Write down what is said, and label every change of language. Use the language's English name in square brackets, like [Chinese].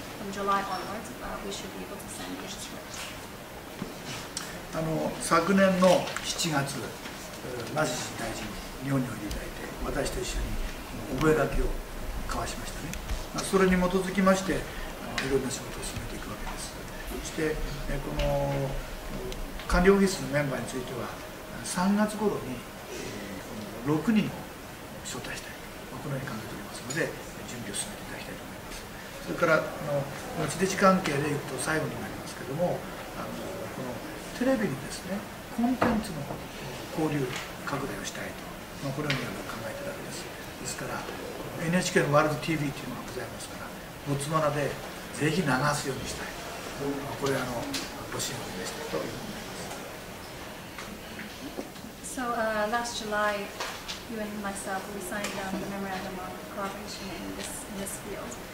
[English] from July onwards, we should be able to send this report. [Japanese] 昨年の7月、ナシ大臣に日本においでいただいて、私と一緒に覚書を交わしましたね。それに基づきまして、いろんな仕事を進めていくわけです。そして、この官僚技術のメンバーについては、3月ごろに6人を招待したい、このように考えておりますので、準備を進めていただきたいと思います。それから地デジ関係でいうと最後になりますけれども、このテレビにですね、コンテンツの交流拡大をしたいと、これを考えているわけです。ですから NHK のワールド TV というのがございますから、ボツワナでぜひ流すようにしたいと、これをご支援を出したいというふうに思います。 [English] So, last July, you and myself, we signed down the memorandum of cooperation in this field.